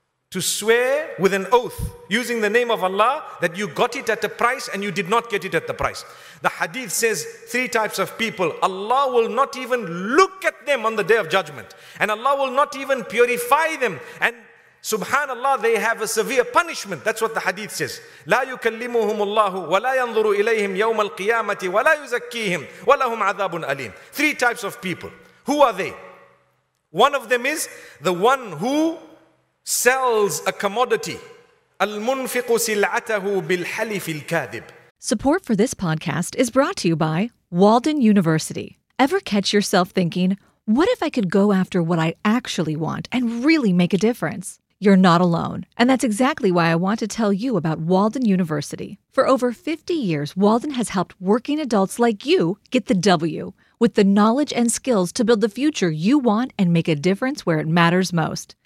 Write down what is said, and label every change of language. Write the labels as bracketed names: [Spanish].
[English] To swear with an oath using the name of Allah that you got it at a price and you did not get it at the price. The hadith says three types of people. Allah will not even look at them on the day of judgment. And Allah will not even purify them. And subhanallah, they have a severe punishment. That's what the hadith says. [Arabic] لا يكلمهم الله ولا ينظر إليهم يوم القيامة ولا يزكيهم ولهم عذاب أليم. [English] Three types of people. Who are they? One of them is the one who sells a commodity. [Arabic] المنفق سلعته بالحلف الكاذب. [English] Support for this podcast is brought to you by Walden University. Ever catch yourself thinking, what if I could go after what I actually want and really make a difference? You're not alone, and that's exactly why I want to tell you about Walden University. For over 50 years, Walden has helped working adults like you get the W with the knowledge and skills to build the future you want and make a difference where it matters most.